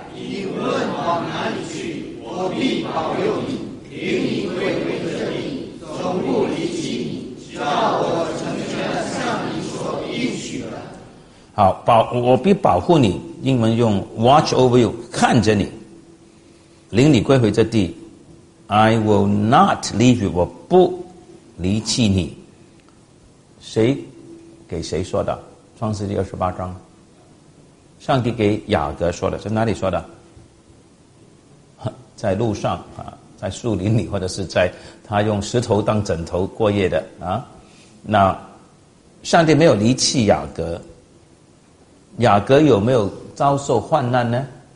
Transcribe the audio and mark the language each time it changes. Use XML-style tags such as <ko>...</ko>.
<zh>你无论往哪里去，我必保佑你，领你归回的这里，从不离弃你，直到我成全向你所应许的。好，我必保护你，英文用 watch over you，看着你，领你归回这地。</zh> <en>I will not leave you，我不离弃你。</en> <zh>谁给谁说的？创世纪28，上帝给雅各说的，在哪里说的？在路上啊，在树林里，或者是在他用石头当枕头过夜的啊。那上帝没有离弃雅各，雅各有没有遭受患难呢？</zh>